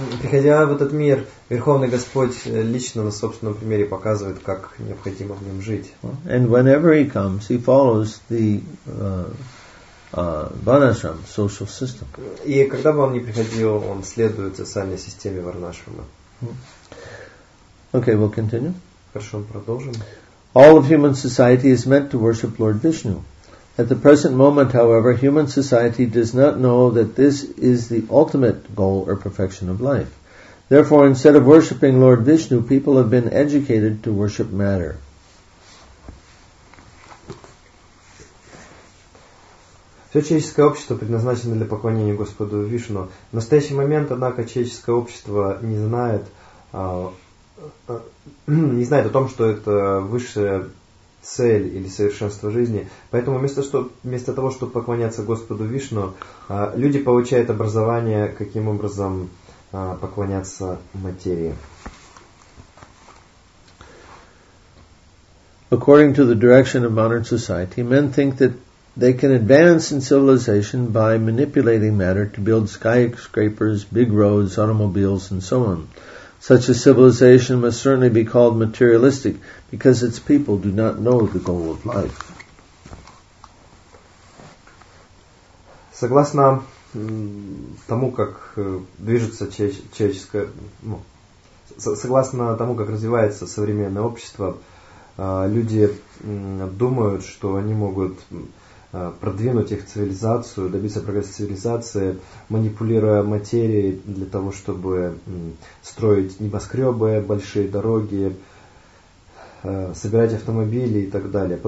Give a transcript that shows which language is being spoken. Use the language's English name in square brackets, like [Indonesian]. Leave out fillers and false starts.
[Russian] Приходя в этот мир, Верховный Господь лично на собственном примере показывает, как необходимо в нем жить. [English] And whenever He comes, He follows the Varnashram social system. [Russian] И когда бы он ни приходил, он следует социальной системе Варнашрама. [English] Okay, we'll continue. [Russian] Хорошо, продолжим. [English] All of human society is meant to worship Lord Vishnu. At the present moment, however, human society does not know that this is the ultimate goal or perfection of life. Therefore, instead of worshipping Lord Vishnu, people have been educated to worship matter. [Russian] Все человеческое общество предназначено для поклонения Господу Вишну. В настоящий момент, однако, человеческое общество не знает о том, что это высшая цель или совершенство жизни. Поэтому вместо того, чтобы поклоняться Господу Вишну, люди получают образование, каким образом поклоняться материи. [English] According to the direction of modern society, men think that they can advance in civilization by manipulating matter to build skyscrapers, big roads, automobiles, and so on. Such a civilization must certainly be called materialistic because its people do not know the goal of life. [Russian] Согласно тому, как движется человеческое, согласно тому, как развивается современное общество, люди думают, что они могут продвинуть их цивилизацию, добиться прогресса цивилизации, манипулируя материей для того, чтобы строить небоскребы, большие дороги, собирать автомобили и так далее.